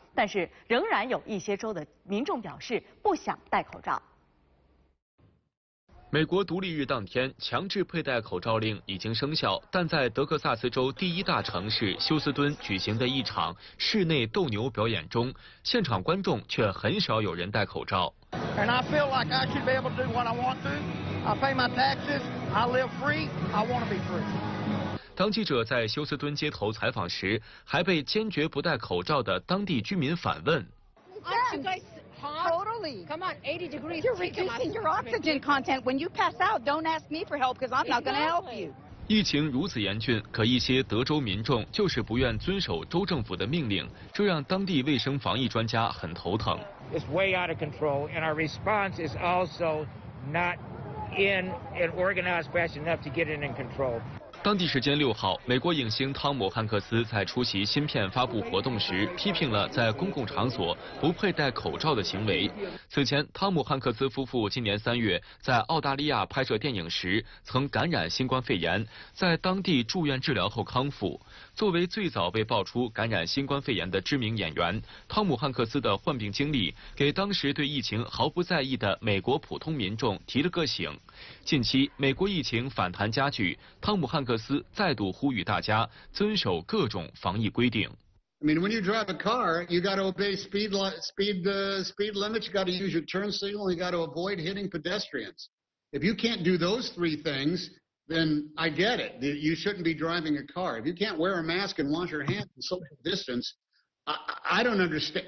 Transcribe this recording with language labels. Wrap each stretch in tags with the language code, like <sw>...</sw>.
<zh>但是仍然有一些州的民众表示不想戴口罩。美国独立日当天，强制佩戴口罩令已经生效，但在德克萨斯州第一大城市休斯敦举行的一场室内斗牛表演中，现场观众却很少有人戴口罩。</zh> <en>And I feel like I should be able to do what I want to. I pay my taxes. I live free. I want to be free.</en> <zh>当记者在休斯敦街头采访时，还被坚决不戴口罩的当地居民反问。疫情如此严峻，可一些德州民众就是不愿遵守州政府的命令，这让当地卫生防疫专家很头疼。</zh> <en>It's way out of control, and our response is also not in an organized fashion enough to get it in control.</en> <zh>当地时间6号，美国影星汤姆·汉克斯在出席新片发布活动时，批评了在公共场所不佩戴口罩的行为。此前，汤姆·汉克斯夫妇今年3月在澳大利亚拍摄电影时曾感染新冠肺炎，在当地住院治疗后康复。作为最早被爆出感染新冠肺炎的知名演员，汤姆·汉克斯的患病经历给当时对疫情毫不在意的美国普通民众提了个醒。近期，美国疫情反弹加剧，汤姆·汉克斯再度呼吁大家遵守各种防疫规定。</zh> <en>I mean, when you drive a car, you got to obey speed limits. You got to use your turn signal. You got to avoid hitting pedestrians. If you can't do those three things, then I get it. You shouldn't be driving a car. If you can't wear a mask and wash your hands and social distance, I don't understand.</en>